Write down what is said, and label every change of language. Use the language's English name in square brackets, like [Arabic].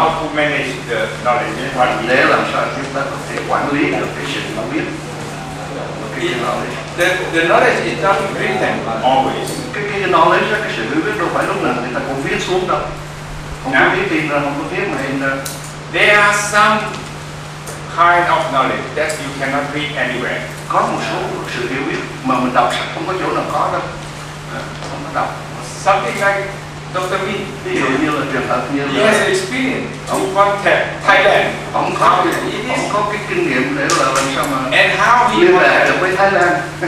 [English] to manage the knowledge quản [Vietnamese] lý để làm sao chúng ta có thể quản lý được cái sự hiểu biết [English] the knowledge is not written always [Vietnamese] cái knowledge cái sự hiểu biết đâu phải lúc nào người ta cũng viết xuống đâu không có viết tin ra không có viết mà in ra [English] there are some kind of knowledge that you cannot read anywhere. [Vietnamese] Có một số sự hiểu biết mà mình đọc sách không có chỗ nào có đâu. Không có đọc. [English] Something like Dr. Min. [Vietnamese] Ví dụ như là trường hợp như là. [English] He has experience. [Vietnamese] Ông có thể [English] Thailand. [Vietnamese] Ông có. Ông có cái kinh nghiệm để là làm sao mà. [English] And how he [Vietnamese] liên lạc được với Thái Lan.